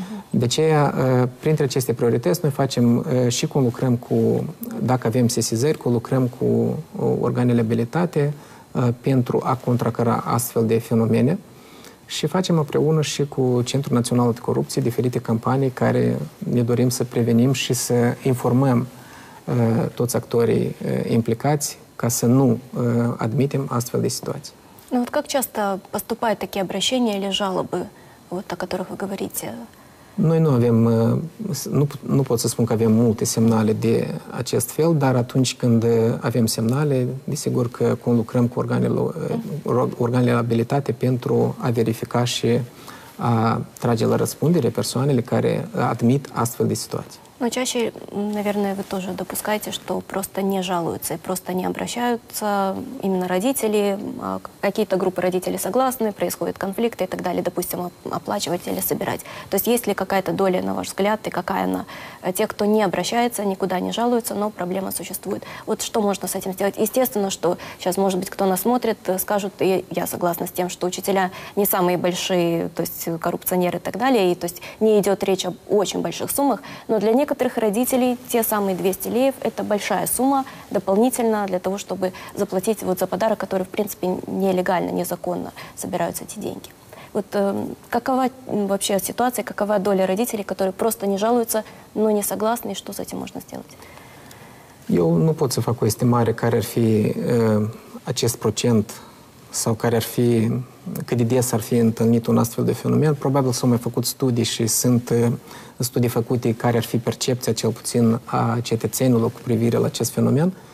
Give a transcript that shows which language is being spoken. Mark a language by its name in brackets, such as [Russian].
[Romanian] De aceea, printre aceste priorități, noi facem și cum lucrăm cu, dacă avem sesizări, cum lucrăm cu organele abilitate pentru a contracara astfel de fenomene. Și facem împreună și cu Centrul Național de Corupție diferite campanii care ne dorim să prevenim și să informăm toți actorii implicați ca să nu admitem astfel de situații. [Russian] Ну вот как часто поступают такие обращения или жалобы, вот о которых вы говорите? [Romanian] Noi nu avem, nu pot să spun că avem multe semnale de acest fel, dar atunci când avem semnale, desigur că conlucrăm cu organele de abilitate pentru a verifica și a trage la răspundere persoanele care admit astfel de situații. [Russian] Но чаще, наверное, вы тоже допускаете, что просто не жалуются, просто не обращаются именно родители, а какие-то группы родителей согласны, происходят конфликты и так далее, допустим, оплачивать или собирать. То есть есть ли какая-то доля, на ваш взгляд, и какая она? Те, кто не обращается, никуда не жалуются, но проблема существует. Вот что можно с этим сделать? Естественно, что сейчас, может быть, кто нас смотрит, скажут, и я согласна с тем, что учителя не самые большие, то есть коррупционеры и так далее, и то есть не идет речь об очень больших суммах, но для некоторых родителей те самые 200 леев – это большая сумма дополнительно для того, чтобы заплатить вот за подарок, который, в принципе, нелегально, незаконно собираются эти деньги. Вот какова вообще ситуация, какова доля родителей, которые просто не жалуются, но не согласны, и что с этим можно сделать? Я не могу сделать эстимарь, который бы этот процент, или который бы, [Romanian] cât de des ar fi întâlnit un astfel de fenomen, probabil s-au mai făcut studii și sunt studii făcute care ar fi percepția, cel puțin, a cetățenilor cu privire la acest fenomen.